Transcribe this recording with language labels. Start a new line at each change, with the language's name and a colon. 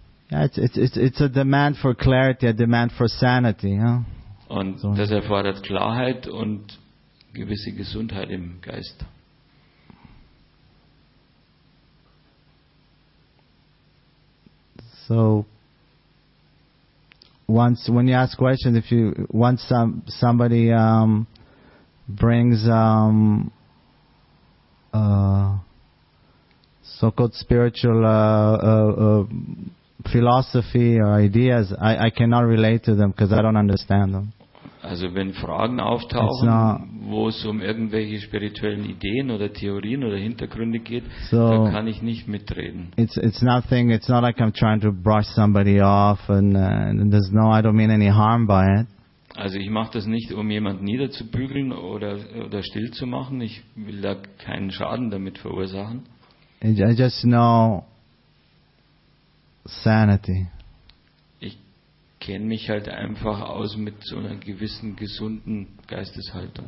English: Yeah, it's a demand for clarity, a demand for sanity. Huh?
German: Und das erfordert Klarheit und gewisse Gesundheit im Geist.
English: So, once when you ask questions, if you want somebody brings so-called spiritual philosophy or ideas, I cannot relate to them because I don't understand them.
German: Also wenn Fragen auftauchen, wo es um irgendwelche spirituellen Ideen oder Theorien oder Hintergründe geht, so da kann ich nicht mitreden.
English: It's nothing. It's not like I'm trying to brush somebody off, and there's no. I don't mean any harm by it.
German: Also ich mache das nicht, um jemanden niederzubügeln oder still zu machen. Ich will da keinen Schaden damit verursachen.
English: I just know sanity.
German: Ich kenne mich halt einfach aus mit so einer gewissen gesunden Geisteshaltung.